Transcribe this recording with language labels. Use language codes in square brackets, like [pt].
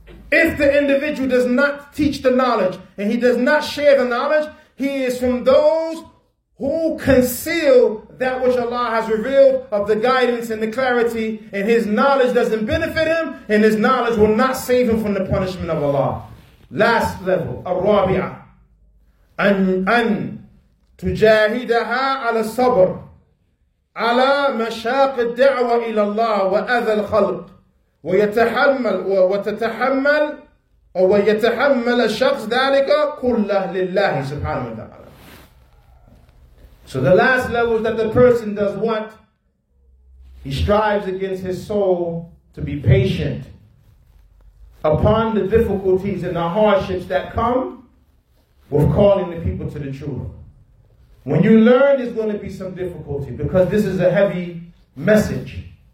[en] If the individual does not teach the knowledge and he does not share the knowledge, he is from those who conceal that which Allah has revealed of the guidance and the clarity, and his knowledge doesn't benefit him, and his knowledge will not save him from the punishment of Allah. Last level, الرابعة. [ar] أن تجاهدها على الصبر على مشاق الدعوة إلى الله وأذى الخلق ويتحمل وتتحمل أو يتحمل الشخص ذلك كله لله سبحانه وتعالى. [en] So the last level is that the person does what? He strives against his soul to be patient upon the difficulties and the hardships that come with calling the people to the truth. When you learn, there's going to be some difficulty because this is a heavy message.